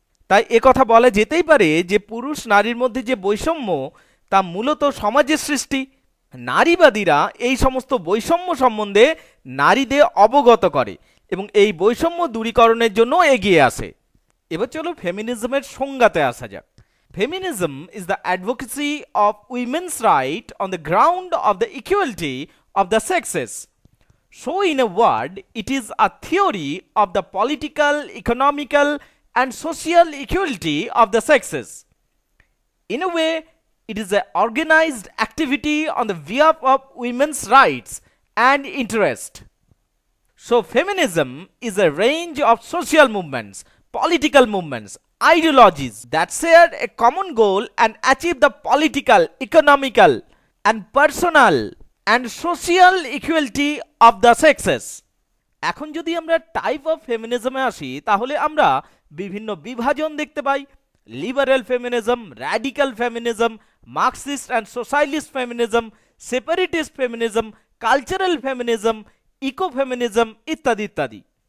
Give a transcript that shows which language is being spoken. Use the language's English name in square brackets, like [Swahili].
[Bangla] তাই একথা বলা যেতেই পারে যে পুরুষ নারীর মধ্যে যে বৈষম্য তা মূলত সমাজের সৃষ্টি। নারীবাদীরা এই সমস্ত বৈষম্য সম্বন্ধে নারীদের অবগত করে এবং এই বৈষম্য দূরীকরণের জন্য এগিয়ে আসে। এবার চলো ফেমিনিজমের সংজ্ঞাতে আসা যাক। [English] Feminism is the advocacy of women's right on the ground of the equality of the sexes. So in a word, it is a theory of the political, economical and social equality of the sexes. In a way, it is an organized activity on the behalf of women's rights and interest. So feminism is a range of social movements, political movements, ideologies that share a common goal and achieve the political, economical and personal and social equality of the sexes. [Bangla] এখন যদি আমরা type of ফেমিনিজমে আসি, তাহলে আমরা বিভিন্ন বিভাজন দেখতে পাই। Liberal feminism, radical feminism, Marxist and socialist feminism, separatist feminism, cultural feminism, eco feminism ইত্যাদি ইত্যাদি।